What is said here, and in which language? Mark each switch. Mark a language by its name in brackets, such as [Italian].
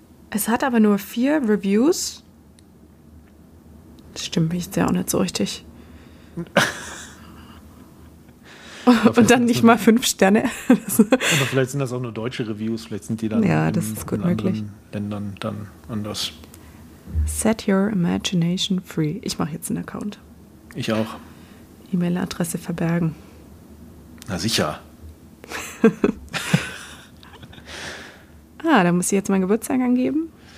[German] Es hat aber nur 4 Reviews. Das stimmt mich ja auch nicht so richtig. Und dann nicht mal 5 Sterne. Aber vielleicht sind das auch nur deutsche Reviews, vielleicht sind die dann ja, in, das ist gut in anderen möglich. Ländern dann anders. [English] Set your imagination free. [German] Ich mache jetzt einen Account. Ich auch. E-Mail-Adresse verbergen. Na sicher. Ah, da muss ich jetzt meinen Geburtstag angeben.